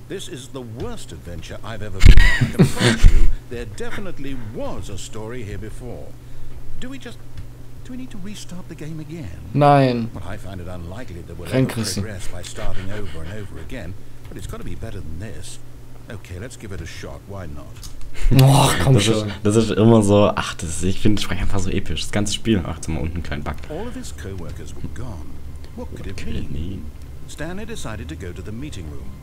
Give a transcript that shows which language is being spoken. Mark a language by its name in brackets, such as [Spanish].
[English] This is the worst adventure I've ever been on. I can promise you, there definitely was a story here before. Do we just Do we need to restart the game again? Nein. Well, I find it unlikely that we'll ever progress by starting over and over again. But it's got to be better than this. Okay, let's give it a shot. Why not? [German] Boah, komm das schon. Das ist immer so, ach, das ist, ich finde, spreche einfach so episch. Das ganze Spiel, ach, zum unten kleinen Bug. [English] All of his co-workers were gone. What could it mean? Stanley decided to go to the meeting room.